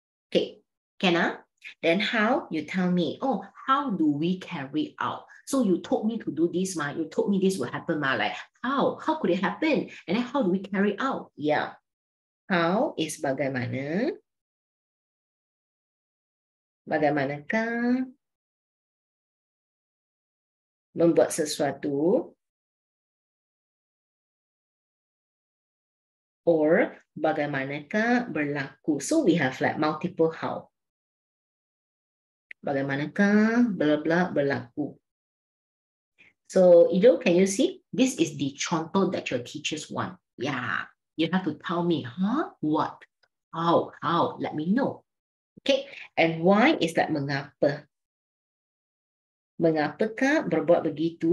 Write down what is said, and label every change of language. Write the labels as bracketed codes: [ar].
[en] Okay, can I? Then how? You tell me, oh, how do we carry out? So you told me to do this, ma. You told me this will happen, ma. Like, how? How could it happen? And then how do we carry out? Yeah. How is bagaimana? [ms] Bagaimanakah membuat sesuatu? Or bagaimanakah berlaku? [en] So we have like multiple how. [ms] Bagaimanakah blah blah berlaku? [en] So Ido, can you see? This is the contoh that your teachers want. Yeah, you have to tell me, huh? What? How? Let me know. Okay, and why is that mengapa? [ms] Mengapakah berbuat begitu?